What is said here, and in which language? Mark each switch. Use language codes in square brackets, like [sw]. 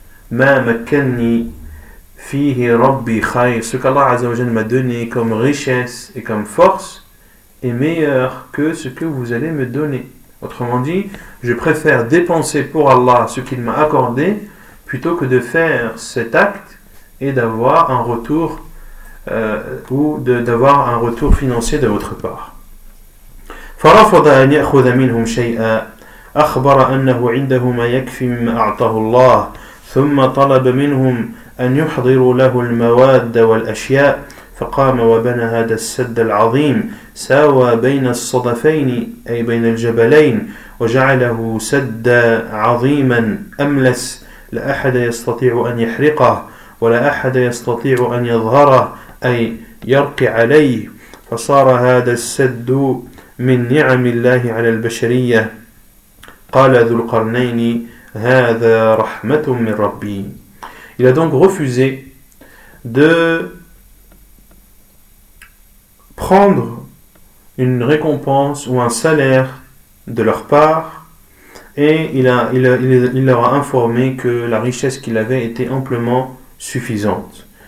[ar] Ma makkanni fihi rabbi khayr, [fr] ce qu'Allah Azza wa Jalla m'a donné comme richesse et comme force est meilleur que ce que vous allez me donner. Autrement dit, je préfère dépenser pour Allah ce qu'il m'a accordé plutôt que de faire cet acte et d'avoir un retour d'avoir un retour financier de votre part. [ar] فرفض أن يأخذ منهم شيئا أخبر أنه عنده ما يكفي مما أعطاه الله ثم طلب منهم أن يحضروا له المواد والأشياء فقام وبنى هذا السد العظيم ساوى بين الصدفين أي بين الجبلين وجعله سدا عظيما أملس لا أحد يستطيع أن يحرقه ولا أحد يستطيع أن يظهره أي يرقي عليه فصار هذا السد من نعم الله على البشرية قال ذو القرنين هذا رحمة من ربي. [fr] Il a donc refusé de prendre une récompense ou un salaire de leur part, et il leur a informé que la richesse qu'il avait était amplement suffisante.